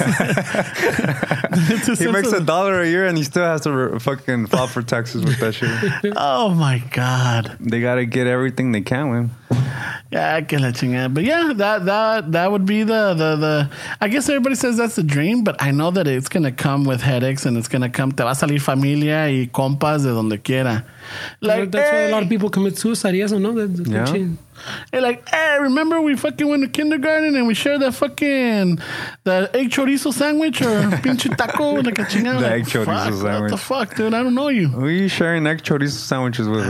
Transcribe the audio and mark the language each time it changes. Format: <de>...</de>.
<en>92 he cents makes $1 a year and he still has to fucking file for taxes with that shit. Oh, my God. They got to get everything they can with him. Yeah,</en> <es>que la chingada.</es> <en>But yeah, that would be the I guess everybody says that's the dream, but I know that it's going to come with headaches and it's going to come.</en> <es>Te va a salir familia y compas de donde quiera.</es> <en>Like, that's why a lot of people commit suicide. Yes, I know that. And like, hey, remember we fucking went to kindergarten and we shared that fucking the egg chorizo sandwich or</en> <es>pinche taco,</es> <en>like</en> <es>a chingada.</es> <en>like, egg chorizo fuck, sandwich. What the fuck, dude? I don't know you. Who are you sharing egg chorizo sandwiches with?</en>